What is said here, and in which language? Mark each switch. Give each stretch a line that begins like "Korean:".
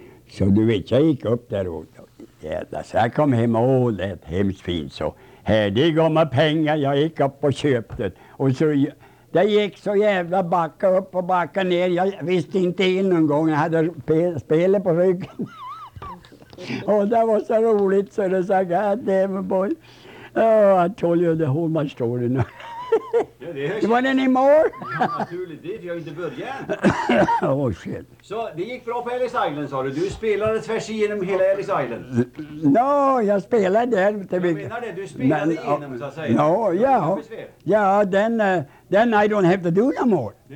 Swedish: Så du vet, jag gick upp där och jävlar, så jag kom hem och det är hemskt fint. Så här, det gav mig pengar, jag gick upp och köpte. Och så, det gick så jävla backa upp och backa ner. Jag visste inte in någon gång, jag hade spelet på ryggen. Och det var så roligt så det sa
English: god damn boy. Oh, I told you the whole my story now.
Swedish: Ja,
English: you want any more?
Swedish: Naturligtvis, jag har inte börjat.
English: Oh shit.
Swedish: Så det gick bra på Ellis Island sa du. Du spelade tvärs igenom hela Ellis Island. No, jag spelade den. Jag menar det, du spelade igenom så att säga. No, ja.
English: Ja, then I don't have to do no more.